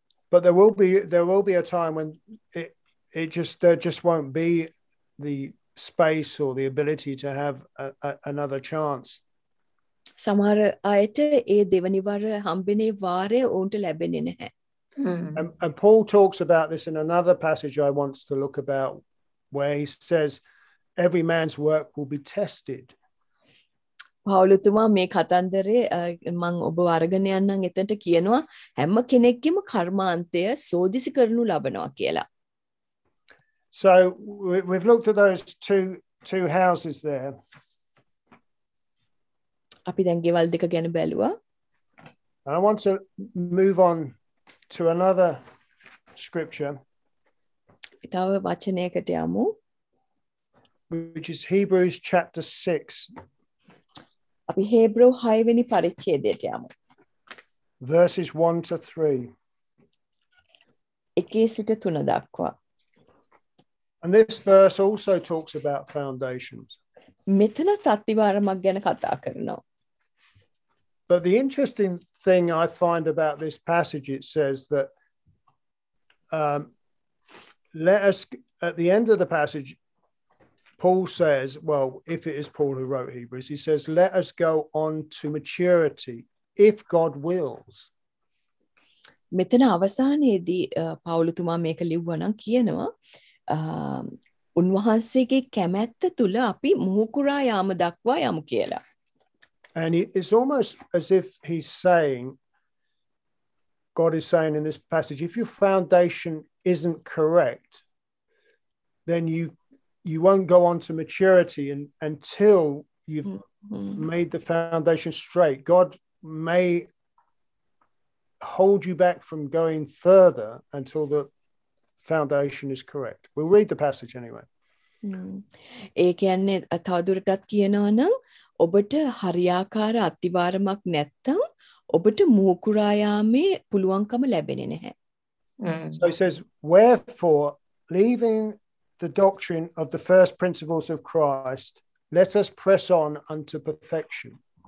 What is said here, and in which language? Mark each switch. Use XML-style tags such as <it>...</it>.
<en>But there will be a time when there just won't be the space or the ability to have another chance</en> <si>සමහර අයට ඒ දෙවනි වර හම්බෙනේ වාරය ඔවුන්ට ලැබෙන්නේ නැහැ.</si> <en>And Paul talks about this in another passage I want to look about where he says every man's work will be tested.</en> <si>පෞලතුමා මේ කතන්දරේ මම ඔබ අරගෙන යන්නම් එතනට කියනවා හැම කෙනෙක්ගේම කර්මාන්තය සෝදිසි කරනු ලබනවා කියලා.</si> <en>So we've looked at those two houses there.</en> <si>අපි දැන් ගෙවල් දෙක ගැන බැලුවා.</si> <en>I want to move on to another scripture.</en> <si>ඊතාව වචනයකට යමු.</si> <en>Which is Hebrews chapter 6.</en> <si>අපි හෙබ්‍රෝ 6 වෙනි පරිච්ඡේදයට යමු.</si> <en>Verses 1 to 3.</en> <si>1 සිට 3 දක්වා.</si> <en>And this verse also talks about foundations.</en> <si>මෙතන තත්තිවරමක් ගැන කතා කරනවා.</si> <en>But the interesting thing I find about this passage, it says that let us, at the end of the passage, Paul says, well, if it is Paul who wrote Hebrews, he says, let us go on to maturity, if God wills.</en> <si>මෙතන අවසානයේදී පෞලතුමා මේක ලිව්වා නම් කියනවා උන්වහන්සේගේ කැමැත්ත තුල අපි මුහුකුරා යාම දක්වා යමු කියලා.</si> <en>And it's almost as if he's saying, God is saying in this passage, if your foundation isn't correct, then you won't go on to maturity until you've made the foundation straight. God may hold you back from going further until the foundation is correct. We'll read the passage anyway.</en> <si>ඒකයන්නේ අතවදුරටත් කියනවා නම් ඔබට හරියාකාර අත්තිවාරමක් නැත්තම් ඔබට මූකුරා යාමේ පුළුවන්කම ලැබෙන්නේ නැහැ.</si> <en>So he says, wherefore, leaving the doctrine of the first principles of Christ, let us press on unto perfection.</en>